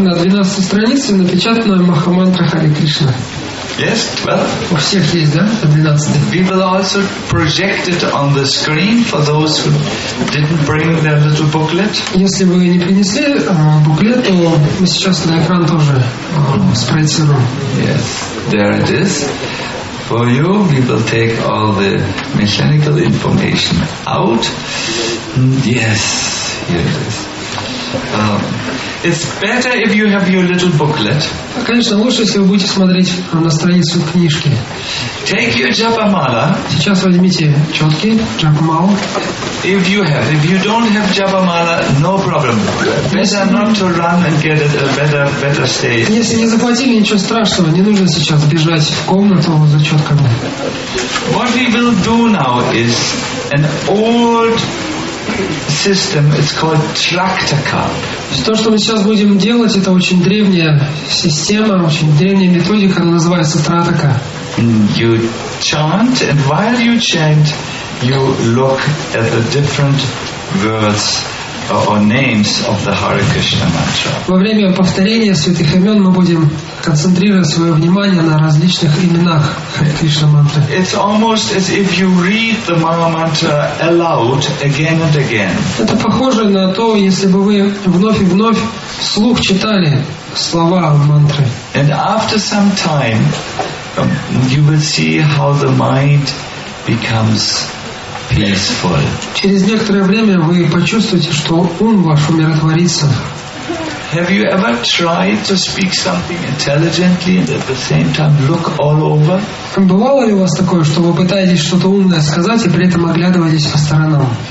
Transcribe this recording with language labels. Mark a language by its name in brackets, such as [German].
[Russian] На 12 странице напечатана Махамантра Харе Кришна. [English] Yes, 12. [Russian] У всех есть, да? 12. [English] We will also project it on the screen for those who didn't bring their little booklet. [Russian] Если вы не принесли буклет, то мы сейчас на экран тоже спроецируем. [English] Yes, there it is. For you, we will take all the mechanical information out. Yes, here it is. It's better if you have your little booklet. [Russian] Конечно, лучше, если вы будете смотреть на страницу книжки. [English] Take your japamala. [Russian] Сейчас возьмите четки, japamala. [English] If you have, if you don't have japamala, no problem. Better not to run and get it a better state. [Russian] Если не заплатили, ничего страшного, не нужно сейчас бежать в комнату за четками. [English] What we will do now is an old system, it's called Traktaka. [Russian] То, что мы сейчас будем делать, это очень древняя система, очень древняя методика, она называется Traktaka. [English] You chant, and while you chant, you look at the different words or names of the Hare Krishna mantra. [Russian] Во время повторения святых имен мы будем концентрировать свое внимание на различных именах Харе Кришна мантры. [English] It's almost as if you read the Mahamantra mantra aloud again and again. [Russian] Это похоже на то, если бы вы вновь и вновь вслух читали слова мантры. [English] And after some time, you will see how the mind becomes peaceful. [Russian] Через некоторое время вы почувствуете, что ум ваш умиротворится. [English] Have you ever tried to speak something intelligently and at the same time look all over? [Russian] Бывало ли у вас такое, что вы пытаетесь что-то умное сказать и при этом оглядываетесь по сторонам?